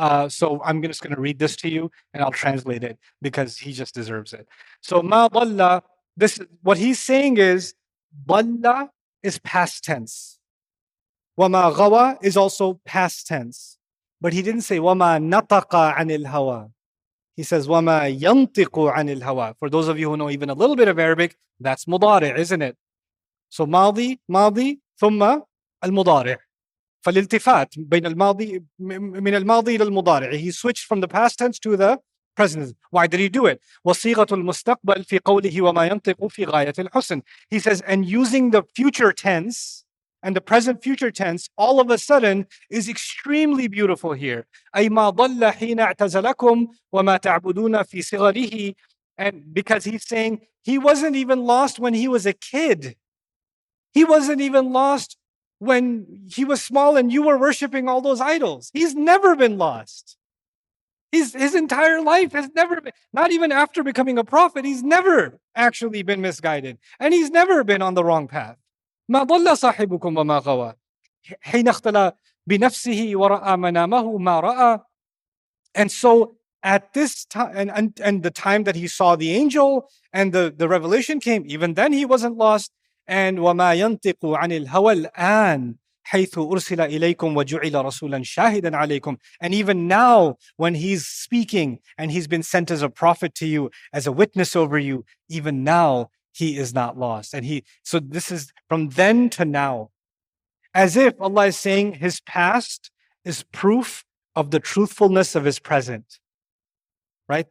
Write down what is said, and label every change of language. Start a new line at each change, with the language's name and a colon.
English: So I'm just going to read this to you and I'll translate it because he just deserves it. So
Arabic: ma dalla,
English: this, what he's saying is, dalla is past tense.
Arabic: Wa ma ghawa
English: is also past tense. But he didn't say
Arabic: wa ma nataqa anil hawa.
English: He says,
Arabic: وَمَا يَنْطِقُ عَنِ الْهَوَىٰ.
English: For those of you who know even a little bit of Arabic, that's مُضَارِع, isn't it?
Arabic: So ماضي, ماضي, ثم المضارع. فالالتفات بين الماضي, من الماضي إلى المضارع.
English: He switched from the past tense to the present tense. Why did he do it?
Arabic: وَصِيغَةُ الْمُسْتَقْبَلِ فِي قَوْلِهِ وَمَا يَنْطِقُ فِي غَايَةِ الْحُسْنِ.
English: He says, and using the future tense and the present future tense, all of a sudden, is extremely beautiful here.
Arabic: أي ما ضل حين اعتزلكم وما تعبدون في صغره.
English: And because he's saying, he wasn't even lost when he was a kid. He wasn't even lost when he was small and you were worshiping all those idols. He's never been lost. His entire life has never been, not even after becoming a prophet, he's never actually been misguided. And he's never been on the wrong path.
Arabic: ما ضل صاحبكم وما غوى حين اختلى بنفسه ورأى منامه ما رأى.
English: And so at this time, and the time that he saw the angel and the revelation came, even then he wasn't lost.
Arabic: And وما ينطق عن الهوى الآن حيث أرسل إليكم وجعل رسولا شاهدا عليكم.
English: And even now when he's speaking and he's been sent as a prophet to you, as a witness over you, even now he is not lost. And so this is from then to now, as if Allah is saying his past is proof of the truthfulness of his present, right?